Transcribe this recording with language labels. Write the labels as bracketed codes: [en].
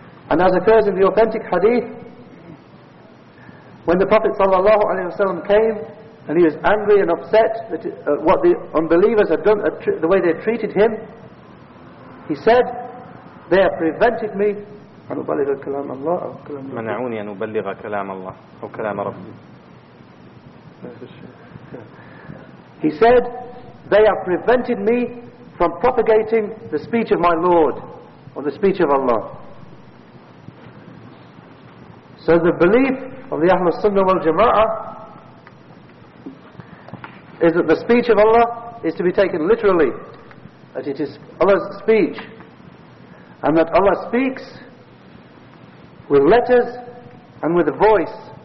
[en] And as occurs in the authentic hadith, when the Prophet sallallahu alaihi wasallam came and he was angry and upset that what the unbelievers had done, the way they treated him, he said, they have prevented me [ar] أن أبلغ كلام الله أو كلام منعوني أن أبلغ كلام الله أو كلام ربي. [en] He said, "They have prevented me from propagating the speech of my Lord or the speech of Allah." So the belief of the Ahlul Sunnah wal Jama'ah is that the speech of Allah is to be taken literally, that it is Allah's speech, and that Allah speaks with letters and with a voice.